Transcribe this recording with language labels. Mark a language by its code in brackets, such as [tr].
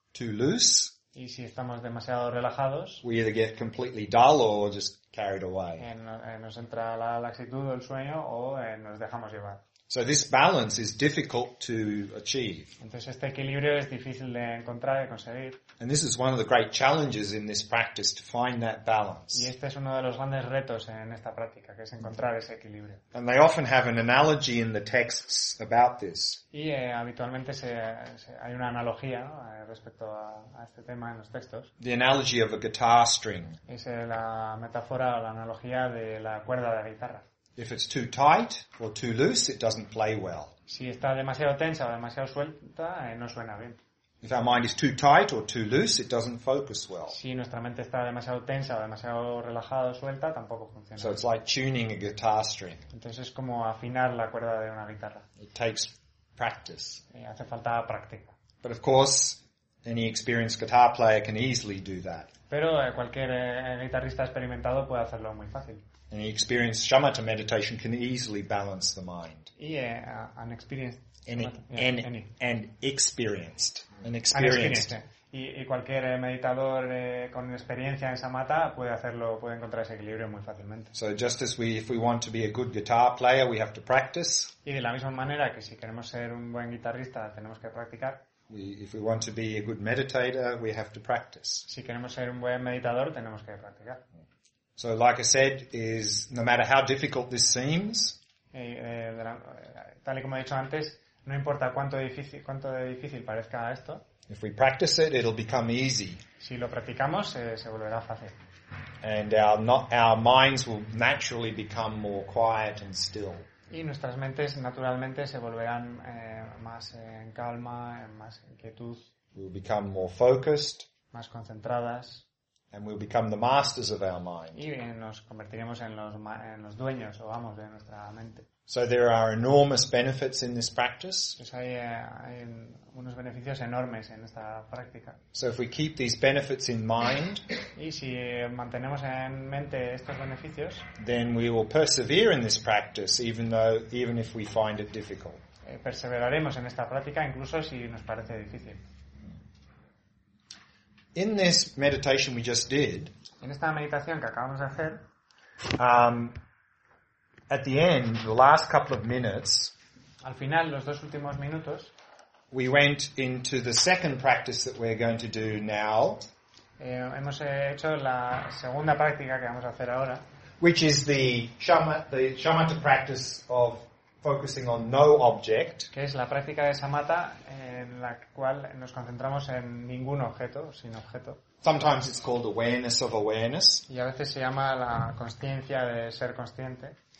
[en] Too loose. [es] Y si estamos demasiado relajados, [en] we either get completely dull or just carried away. [es] Nos entra la laxitud o el sueño o nos dejamos llevar. [en] So this balance is difficult to achieve. [es] Entonces este equilibrio es difícil de encontrar y conseguir. [en] And this is one of the great challenges in this practice to find that balance. [es] Y este es uno de los grandes retos en esta práctica, que es encontrar ese equilibrio. [en] And they often have an analogy in the texts about this. [es] Y habitualmente hay una analogía, ¿no? Respecto a este tema en los textos. [en] The analogy of a guitar string. [es] Es la metáfora o la analogía de la cuerda de la guitarra. [en] If it's too tight or too loose, it doesn't play well. [es] Si está demasiado tensa o demasiado suelta, no suena bien. [en] If our mind is too tight or too loose, it doesn't focus well. [es] Si nuestra mente está demasiado tensa o demasiado relajada o suelta, tampoco funciona. [en] So it's like tuning a guitar string. [es] Entonces es como afinar la cuerda de una guitarra. [en] It takes practice. [es] Y hace falta práctica. [en] But of course, any experienced guitar player can easily do that. [es] Pero cualquier guitarrista experimentado puede hacerlo muy fácil. [en] An experienced shamatha meditation can easily balance the mind. Yeah, an experienced. An experienced. An experienced. [es] Y cualquier meditador con experiencia en samatha puede hacerlo, puede encontrar ese equilibrio muy fácilmente. [en] So just as we, if we want to be a good guitar player, we have to practice. [es] Y de la misma manera que si queremos ser un buen guitarrista, tenemos que practicar. [en] If we want to be a good meditator, we have to practice. [es] Si queremos ser un buen meditador, tenemos que practicar. [en] So like I said, is no matter how difficult this seems. [es] Tal y como he dicho antes, no importa cuánto difícil parezca esto. [en] If we practice it, it'll become easy. [es] Si lo practicamos, se volverá fácil. [en] And our minds will naturally become more quiet and still. [es] Y nuestras mentes naturalmente se volverán más en calma, más en quietud. [en] We'll become more focused. [es] Más concentradas. [en] And we'll become the masters of our mind. [es] Y nos convertiremos en los dueños o amos de nuestra mente. [en] So there are enormous benefits in this practice. [es] Pues hay unos beneficios enormes en esta práctica. [en] So if we keep these benefits in mind, [es] y si mantenemos en mente estos beneficios, [en] then we will persevere in this practice even if we find it difficult. [es] Perseveraremos en esta práctica incluso si nos parece difícil. [en] In this meditation we just did, [es] en esta meditación que acabamos de hacer, [en] at the end, the last couple of minutes, [es] al final, los dos últimos minutos, [en] we went into the second practice that we're going to do now, [es] hemos hecho la segunda práctica que vamos a hacer ahora, [en] which is the shamatha practice of focusing on no object, [es] que es la práctica de samatha en la cual nos concentramos en ningún objeto, sin objeto. [en] Sometimes it's called awareness of awareness. [es] Y a veces se llama la consciencia de ser consciente.